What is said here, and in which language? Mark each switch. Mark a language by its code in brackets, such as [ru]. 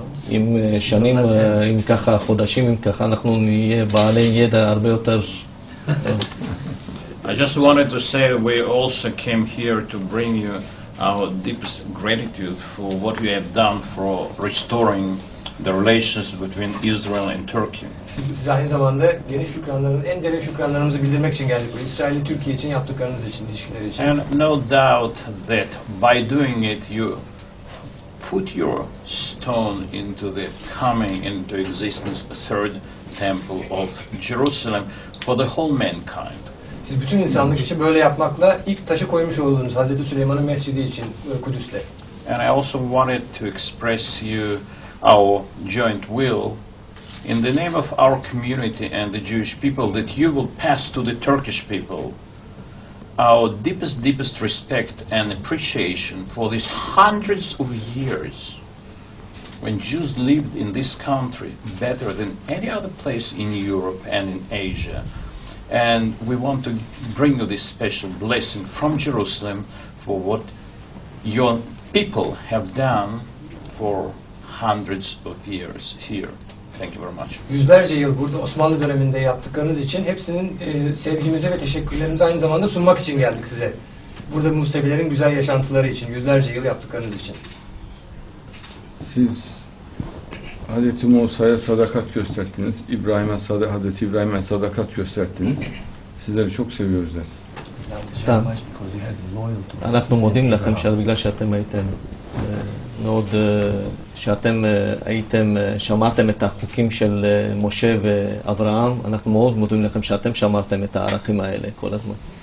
[he] אם שנים, אם ככה, חודשים, אם ככה, אנחנו נהיה בעלי ידע הרבה יותר. [en] I just wanted to say we also came here to bring you our deepest gratitude for what you have done for restoring the relations between Israel and Turkey. [tr] Size aynı zamanda geniş şükranların en derin şükranlarımızı bildirmek için geldik buraya. İsrail'le Türkiye için yaptıklarınız için, ilişkiler için. [en] And no doubt that by doing it you put your stone into the coming into existence third temple of Jerusalem for the whole mankind. [tr] Siz bütün insanlık için böyle yapmakla ilk taşı koymuş olduğunuz Hazreti Süleyman'ın mescidi için Kudüs'le. [en] And I also wanted to express you our joint will in the name of our community and the Jewish people that you will pass to the Turkish people our deepest respect and appreciation for these hundreds of years when Jews lived in this country better than any other place in Europe and in Asia. And we want to bring you this special blessing from Jerusalem for what your people have done for hundreds of years here. Thank you very much. [tr] Yüzlerce yıl burada Osmanlı döneminde yaptıklarınız için hepsinin sevgimize ve teşekkürlerimizi aynı zamanda sunmak için geldik size. Burada Musevilerin güzel yaşantıları için, yüzlerce yıl yaptıklarınız için. Siz Hazreti Musa'ya sadakat gösterdiniz. İbrahim'e Hazreti İbrahim'e sadakat gösterdiniz. Sizleri çok seviyoruz biz. [he] אנחנו מודים לכם בגלל שאתם הייתם מאוד שאתם הייתם שמרתם את החוקים של משה ואברהם אנחנו מאוד מודים לכם שאתם שמרתם את הערכים האלה כל הזמן